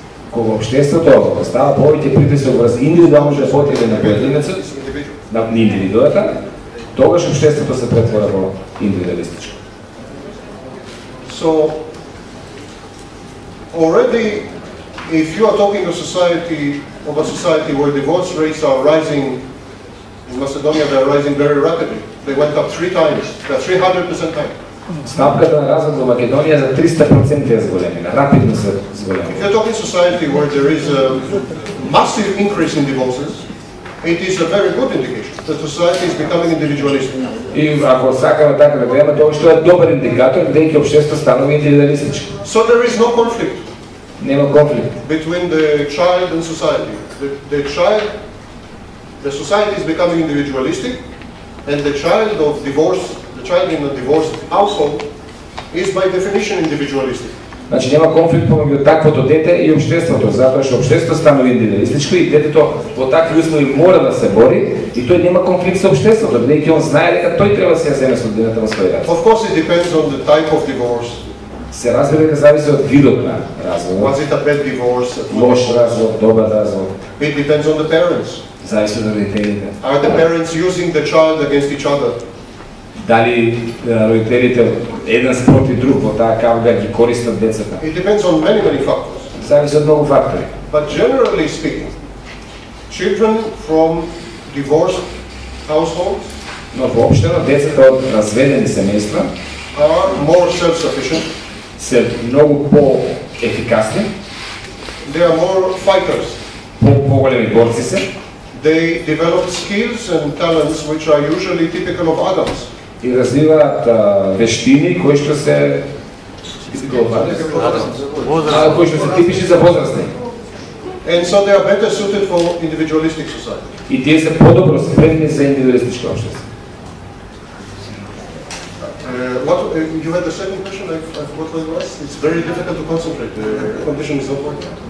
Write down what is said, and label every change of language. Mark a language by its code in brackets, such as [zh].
[mk] кога општеството става повеќе притисок врз индивидуално животите на поединецот, на индивидуата, тогаш општеството се претвора во индивидуалистичко. [en] So already if you are talking of society of a society where divorce rates are rising in Macedonia, they are rising very rapidly. They went up 300% time. [mk] Стапката на развод во Македонија за 300% е зголемена, рапидно се зголемена. [en] If you're talking society where there is a massive increase in divorces, it is a very good indication that society is becoming individualistic. [mk] И ако сакаме така да гледаме, тоа што е добар индикатор дека општеството станува индивидуалистичко. [en] So there is no conflict. [mk] Нема конфликт. [en] Between the child and society. The child, the society is becoming individualistic and the child of divorce child in a divorced household is by definition individualistic. [mk] Значи нема конфликт помеѓу таквото дете и општеството, затоа што општеството станува индивидуалистичко и детето во такви услови мора да се бори и тој нема конфликт со општеството, бидејќи он знае дека тој треба да се земе судбината во свои раце. [en] Of course it depends on the type of divorce. [mk] Се разбира дека зависи од видот на развод. [en] Was it a bad divorce? [mk] Лош развод, добар развод. [en] It depends on the parents. [mk] Зависи од родителите. [en] Are the parents using the child against each other? [mk] Дали родителите еден спроти друг во таа кавга ги користат децата? [en] It depends on many, many factors. [mk] Зависи од многу фактори. [en] But generally speaking, children from divorced households, [mk] но воопштено децата од разведени семејства [en] are more self-sufficient, [mk] се многу по-ефикасни. [en] They are more fighters. [mk] По-големи борци се. [en] They develop skills and talents which are usually typical of adults. [mk] И развиваат вештини кои што се изгледуваат кои што се типични за возрастни. [en] And so they are better suited for individualistic society. [mk] И тие се подобро спремни за индивидуалистичко општество. [en] What you had the second question? I forgot what it was. It's very difficult to concentrate. The condition is not working.